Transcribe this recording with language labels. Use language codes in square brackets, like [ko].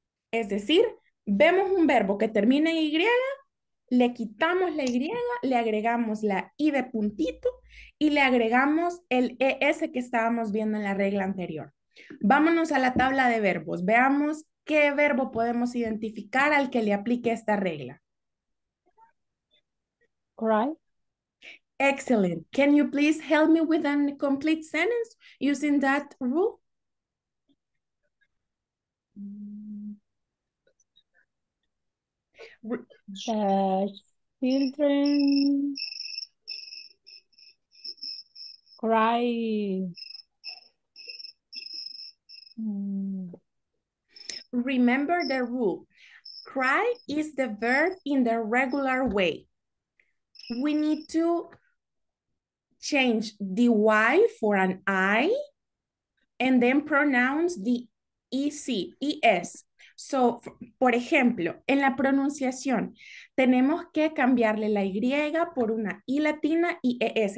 [es] Es decir, vemos un verbo que termina en Y, le quitamos la Y, le agregamos la I de puntito y le agregamos el ES que estábamos viendo en la regla anterior. Vámonos a la tabla de verbos. Veamos qué verbo podemos identificar al que le aplique esta regla. [en] Cry. Excellent. Can you please help me with a complete sentence using that rule? Children cry. Remember the rule. Cry is the verb in the regular way. We need to change the Y for an I and then pronounce the EC, ES. [es] So, por ejemplo, en la pronunciación, tenemos que cambiarle la Y por una I latina y ES.